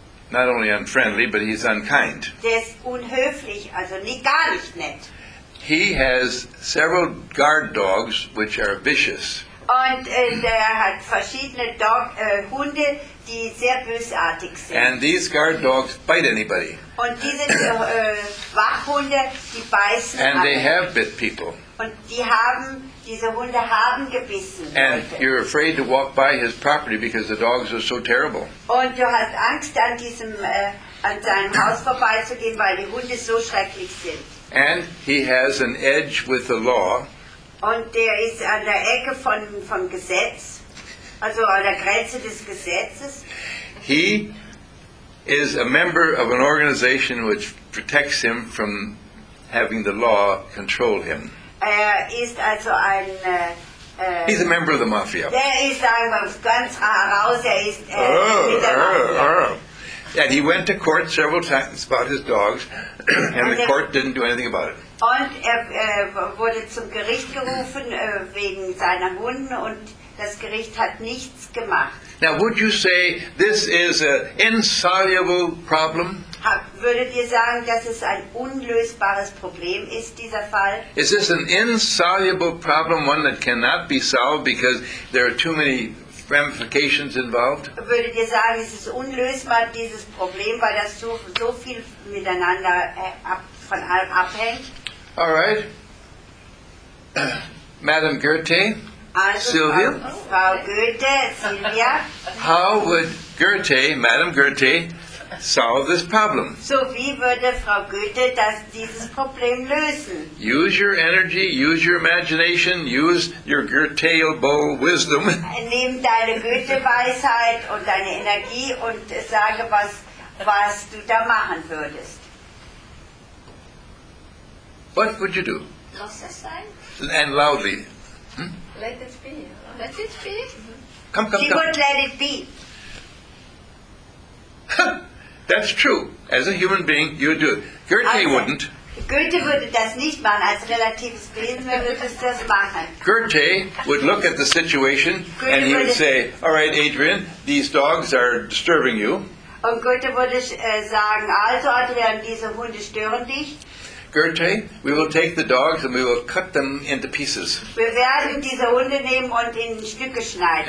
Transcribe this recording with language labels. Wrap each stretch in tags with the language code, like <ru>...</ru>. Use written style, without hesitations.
<en>Not only unfriendly, but he's unkind.</en> <de>Der ist unhöflich, also gar nicht nett.</de> <en>He has several guard dogs which are vicious.</en> <de>Und er hat verschiedene Hunde, die sehr bösartig sind.</de> <en>And these guard dogs bite anybody.</en> <de>Und diese Wachhunde, die beißen.</de> <en>And they have bit people.</en> <de>Und diese Hunde haben gebissen.</de> <en>And</en> <de>Leute.</de> <en>You're afraid to walk by his property because the dogs are so terrible.</en> <de>Und du hast Angst, an seinem Haus vorbeizugehen, weil die Hunde so schrecklich sind.</de> <en>And he has an edge with the law.</en> <de>Und der ist an der Ecke vom Gesetz, also an der Grenze des Gesetzes.</de> <en>He is a member of an organization which protects him from having the law control him.</en> <de>Er ist also ein</de> <en>he's a member of the mafia.</en> <de>Der ist einfach ganz heraus, er ist mit der Mafia.</de> <en>And he went to court several times about his dogs, and the court didn't do anything about it.</en> <de>Und wurde zum Gericht gerufen wegen seiner Hunde, und das Gericht hat nichts gemacht.</de> <en>Now, would you say this is an insoluble problem?</en> <de>Würdet ihr sagen, dass es ein unlösbares Problem ist, dieser Fall?</de> <en>Is this an insoluble problem, one that cannot be solved because there are too many ramifications involved?</en> <de>Würdet ihr sagen, es ist unlösbar, dieses Problem, weil das so viel miteinander von allem abhängt?</de> <en>All right. Madame Goethe,</en> <de>also Sylvia. Frau Goethe, Sylvia.</de> <en>How would Goethe, Madame Goethe, solve this problem?</en> <de>So wie würde Frau Goethe dieses Problem lösen?</de> <en>Use your energy, use your imagination, use your Goethe-able wisdom.</en> <de>Nimm deine Goethe-Weisheit und deine Energie und sage, was du da machen würdest.</de> <en>What would you do?</en> <de>Lass es sein.</de> <en>And loudly. Let it be. Mm-hmm. Come. She would let it be. That's true. As a human being, you would do it. Goethe also, wouldn't.</en> <de>Goethe würde das nicht machen. Als relatives Wesen würde es das machen.</de> <en>Goethe would look at the situation and he would say, all right, Adrian, these dogs are disturbing you.</en> <de>Und Goethe würde sagen, also Adrian, diese Hunde stören dich.</de> <en>Goethe, we will take the dogs and we will cut them into pieces.</en> <de>Wir werden diese Hunde nehmen und in Stücke schneiden.</de>